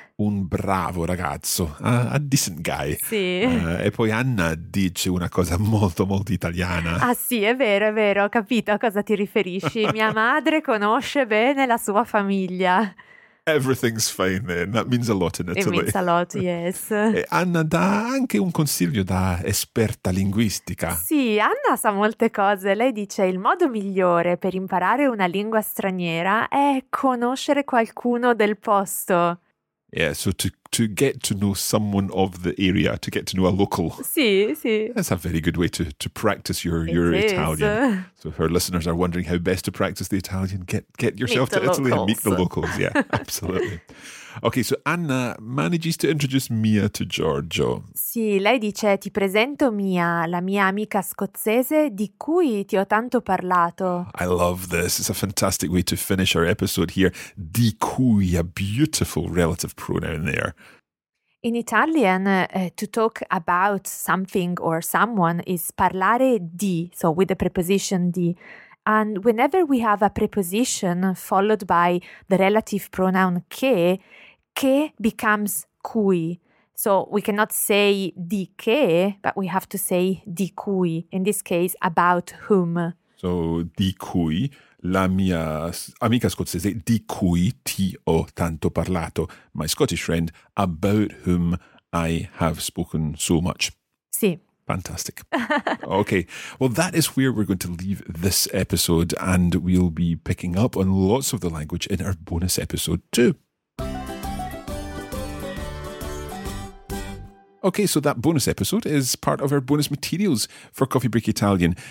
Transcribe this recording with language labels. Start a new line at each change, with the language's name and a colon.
Italian: Un bravo ragazzo,
English: a decent guy.
Italian: Sì. E poi Anna dice una cosa molto, molto italiana. Ah sì, è vero, ho capito a cosa ti riferisci. Mia madre conosce bene la sua famiglia.
English: Everything's fine then, that means a lot in Italy. It means a lot, yes.
Italian: E Anna dà anche un consiglio da esperta linguistica. Sì, Anna sa molte cose. Lei dice il modo migliore per imparare una lingua straniera è conoscere qualcuno del posto.
English: Yeah, so to get to know someone of the area, to get to know a local.
Italian: Sì, sì.
English: That's a very good way to practice your Italian. So if our listeners are wondering how best to practice the Italian, get yourself to Italy and meet the locals. Yeah, absolutely. Okay, so Anna manages to introduce Mia to Giorgio.
Italian: Sì, lei dice, ti presento Mia, la mia amica scozzese di cui ti ho tanto parlato.
English: I love this. It's a fantastic way to finish our episode here. Di cui, a beautiful relative pronoun there. In Italian, to talk about something or someone is parlare di, so with the preposition di. And whenever we have a preposition followed by the relative pronoun che becomes cui. So we cannot say di che, but we have to say di cui. In this case, about whom. So
Italian: di cui, la mia amica scozzese, di cui ti ho tanto parlato,
English: my Scottish friend, about whom I have spoken so much.
Italian: Sì.
English: Fantastic. Okay. Well, that is where we're going to leave this episode, and we'll be picking up on lots of the language in our bonus episode too. Okay, so that bonus episode is part of our bonus materials for Coffee Break Italian.